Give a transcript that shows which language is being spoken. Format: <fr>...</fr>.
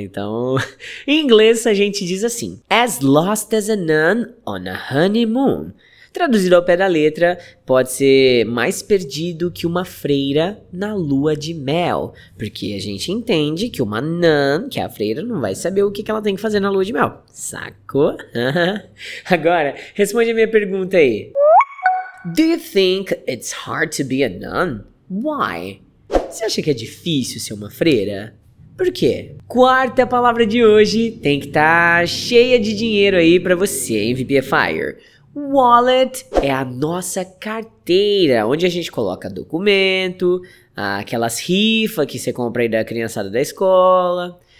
<pt>Então, em inglês a gente diz assim:</pt> <en>as lost as a nun on a honeymoon.</en> <pt>Traduzido ao pé da letra, pode ser mais perdido que uma freira na lua de mel. Porque a gente entende que uma nun, que é a freira, não vai saber o que ela tem que fazer na lua de mel. Sacou? Agora, responde a minha pergunta aí.</pt> <en>Do you think it's hard to be a nun? Why?</en> <pt>Você acha que é difícil ser uma freira? Por quê? Quarta palavra de hoje tem que estar cheia de dinheiro aí pra você, hein, VP Fire? Wallet é a nossa carteira, onde a gente coloca documento, aquelas rifas que você compra aí da criançada da escola.</pt>